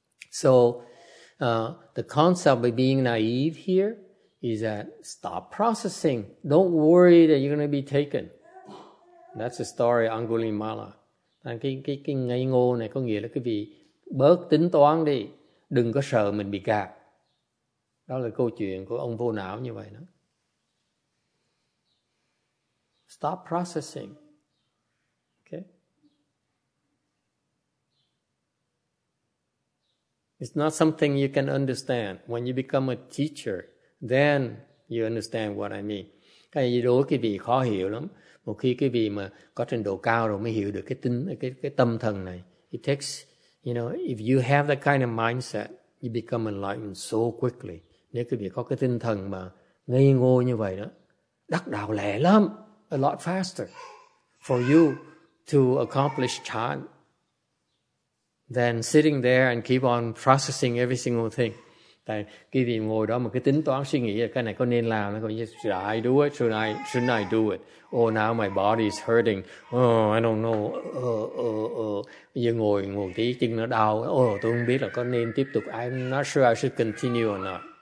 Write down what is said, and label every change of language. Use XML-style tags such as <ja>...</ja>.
<en>So, the concept of being naive here is that stop processing. Don't worry that you're going to be taken. That's the story of Angulimala.</en> <vi>Cái ngây ngô này có nghĩa là quý vị bớt tính toán đi. Đừng có sợ mình bị gạt. Đó là câu chuyện của ông vô não như vậy đó.</vi> <en>Stop processing. Okay? It's not something you can understand. When you become a teacher, then you understand what I mean.</en> <vi>Cái đối quý vị khó hiểu lắm. Một khi quý vị mà có trình độ cao rồi mới hiểu được cái tính, cái tâm thần này.</vi> <en>It takes, you know, if you have that kind of mindset, you become enlightened so quickly.</en> <vi>Nếu quý vị có cái tinh thần mà ngây ngô như vậy đó, đắc đạo lẹ lắm.</vi> <en>A lot faster for you to accomplish chan than sitting there and keep on processing every single thing.</en> <vi>Tại quý vị ngồi đó mà cứ tính toán suy nghĩ là cái này có nên làm, nó có như,</vi> <en>should I do it? Shouldn't I do it? Oh, now my body is hurting. Oh, I don't know.</en> <vi>Bây giờ ngồi một tí chân nó đau. Oh, tôi không biết là có nên tiếp tục.</vi> <en>I'm not sure I should continue or not.</en>